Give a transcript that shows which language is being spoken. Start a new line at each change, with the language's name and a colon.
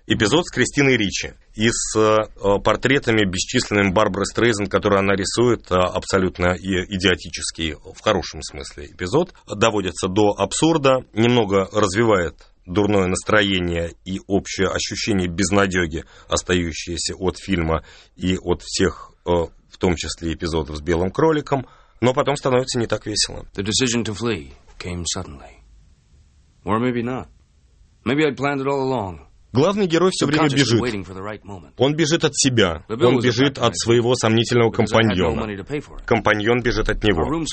Russian: Эпизод с Кристиной Ричи. И с портретами бесчисленными Барбары Стрейзен, которые она рисует, абсолютно идиотический, в хорошем смысле, эпизод, доводится до абсурда, немного развивает дурное настроение и общее ощущение безнадёги, остающееся от фильма и от всех, в том числе эпизодов с белым кроликом, но потом становится не так весело.
English: The decision to flee came suddenly. Or maybe not. Maybe I'd planned it all along.
Russian: Главный герой все время бежит. Он бежит от себя. Он бежит от своего сомнительного компаньона. Компаньон бежит от него.